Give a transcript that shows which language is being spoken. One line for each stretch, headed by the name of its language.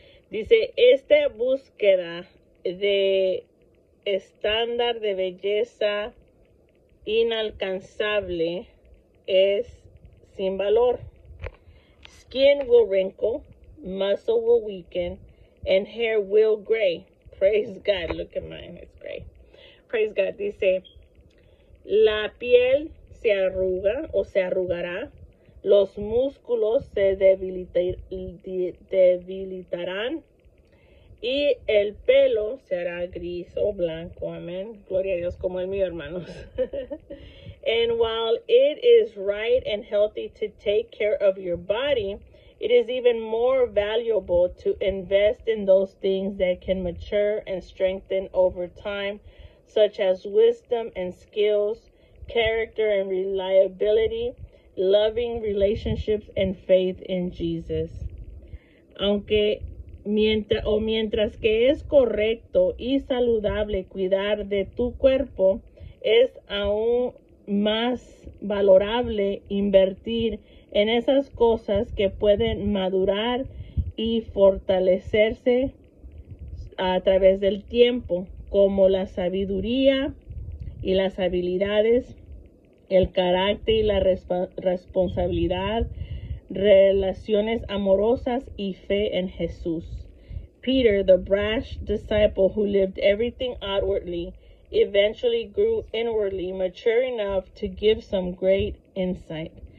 Spanish: Dice, esta búsqueda de estándar de belleza inalcanzable es sin valor.
English: Skin will wrinkle, muscle will weaken, and hair will gray. Praise God, look at mine, it's gray. Praise God,
Spanish: dice, la piel se arruga o se arrugará, los músculos se debilitarán, y el pelo se hará gris o blanco, amén. Gloria a Dios, como el mío, hermanos.
English: And while it is right and healthy to take care of your body, it is even more valuable to invest in those things that can mature and strengthen over time, such as wisdom and skills, character and reliability, loving relationships, and faith in Jesus.
Spanish: Aunque mientras que es correcto y saludable cuidar de tu cuerpo, es aún más valorable invertir en esas cosas que pueden madurar y fortalecerse a través del tiempo, como la sabiduría y las habilidades, el carácter y la responsabilidad, relaciones amorosas y fe en Jesús.
English: Peter, the brash disciple who lived everything outwardly, eventually grew inwardly, mature enough to give some great insight.